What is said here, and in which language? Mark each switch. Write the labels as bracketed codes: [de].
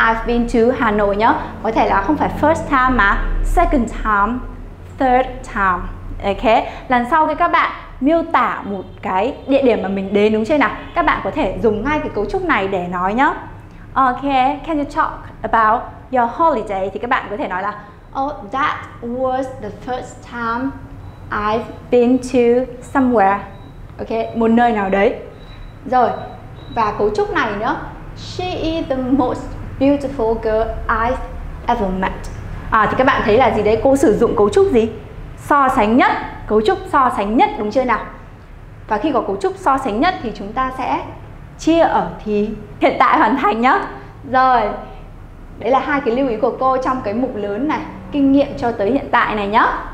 [en] I've been to Hà Nội [vi] nhé. Có thể là không phải [en] first time [vi] mà [en] second time, third time. [vi] Ok, lần sau khi các bạn miêu tả một cái địa điểm mà mình đến đúng chưa nào, các bạn có thể dùng ngay cái cấu trúc này để nói nhé. [en] Ok, can you talk about your holiday? [vi] Thì các bạn có thể nói là [en] oh, that was the first time I've been to somewhere. [vi] Ok, một nơi nào đấy. Rồi, và cấu trúc này nữa. [en] She is the most beautiful girl I've ever met. [vi] À, thì các bạn thấy là gì đấy? Cô sử dụng cấu trúc gì? So sánh nhất. Cấu trúc so sánh nhất đúng chưa nào? Và khi có cấu trúc so sánh nhất thì chúng ta sẽ chia ở thì hiện tại hoàn thành nhá. Rồi, đấy là hai cái lưu ý của cô trong cái mục lớn này, kinh nghiệm cho tới hiện tại này nhá.